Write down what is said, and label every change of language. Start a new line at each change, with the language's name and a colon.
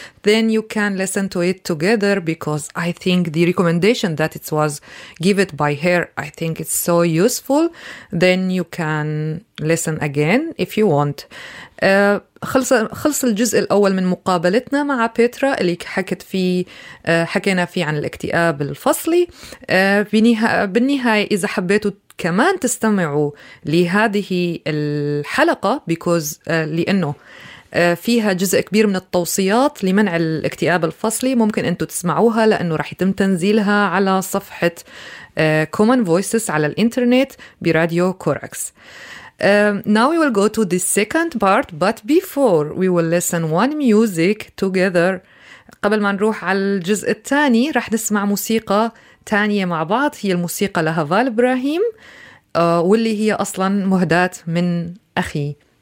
English: Then you can listen to it together, because I think the recommendation that it was given by her, I think it's so useful. Then you can listen again if you want.
Arabic: خلص الجزء الأول من مقابلتنا مع بيترا اللي حكينا فيه عن الاكتئاب الفصلي. بالنهاية إذا حبيتوا كمان تستمعوا لهذه الحلقة، لأنه فيها جزء كبير من التوصيات لمنع الاكتئاب الفصلي، ممكن أنتوا تسمعوها لأنه رح يتم تنزيلها على صفحة Common Voices على الإنترنت براديو كوركس.
English: Now we will go to the second part, but before we will listen one music together.
Arabic: قبل ما نروح على الجزء الثاني رح نسمع موسيقى تانية مع بعض، هي الموسيقى لهفال إبراهيم واللي هي أصلا مهداة من أخي.